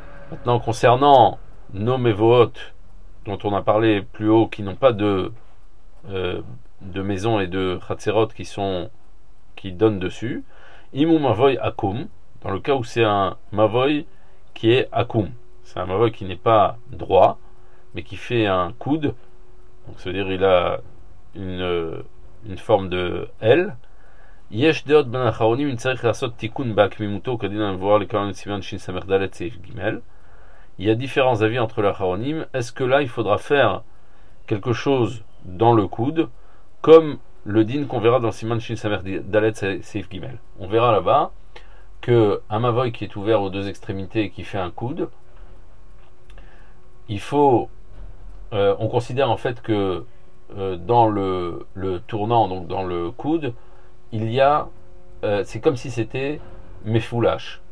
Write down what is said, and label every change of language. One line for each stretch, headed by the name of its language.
French: Maintenant, concernant nos mevohot dont on a parlé plus haut, qui n'ont pas de maisons et de chatserot qui donnent dessus,
Hebrew: imu mavoy akum,
French: dans le cas où c'est un mavoy qui est akum, c'est un mavoy qui n'est pas droit mais qui fait un coude, donc ça veut dire il a une forme de L.
Hebrew: יש דעות בין האחרונים אם צריך לעשות תיקון בהקמימותו כדין המבואר לכאן סימן שין סמך דלת סעיף גימל.
French: Il y a différents avis entre les acharonim. Est-ce que là il faudra faire quelque chose dans le coude comme le din qu'on verra dans siman shin samer dalet seif gimel? On verra là-bas que un mavoy qui est ouvert aux deux extrémités et qui fait un coude, il faut on considère en fait que dans le tournant, donc dans le coude, il y a, c'est comme si c'était mefoulash.